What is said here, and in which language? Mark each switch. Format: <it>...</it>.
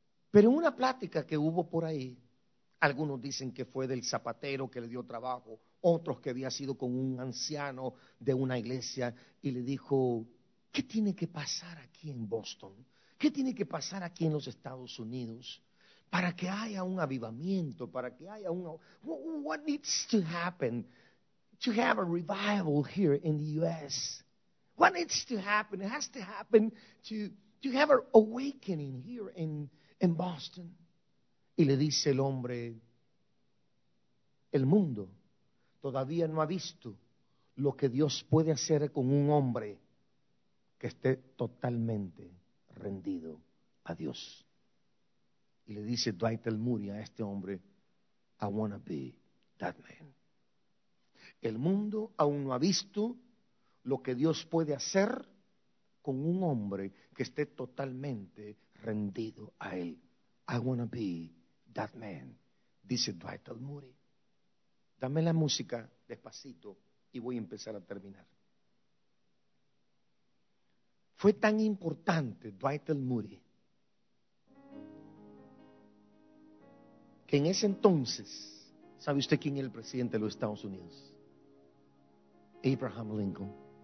<es>Pero en una plática que hubo por ahí, algunos dicen que fue del zapatero que le dio trabajo, otros que había sido con un anciano de una iglesia y le dijo, ¿qué tiene que pasar aquí en Boston? ¿Qué tiene que pasar aquí en los Estados Unidos? Para que haya un avivamiento, para que haya un...</es> <en>What needs to happen to have a revival here in the U.S.? What needs to happen? It has to happen to have an awakening here in Boston.</en> <es>Y le dice el hombre, el mundo todavía no ha visto lo que Dios puede hacer con un hombre que esté totalmente rendido a Dios. Y le dice Dwight L.</es> <en>Moody</en> <es>a este hombre,</es> <en>I want to be that man.</en> <es>El mundo aún no ha visto lo que Dios puede hacer con un hombre que esté totalmente rendido a él.</es> <en>I want to be that man, dice Dwight L. Moody.</en> <es>Dame la música despacito y voy a empezar a terminar. Fue tan importante Dwight L. Moody en ese entonces, ¿sabe usted quién era el presidente de los Estados Unidos? Abraham Lincoln.</es>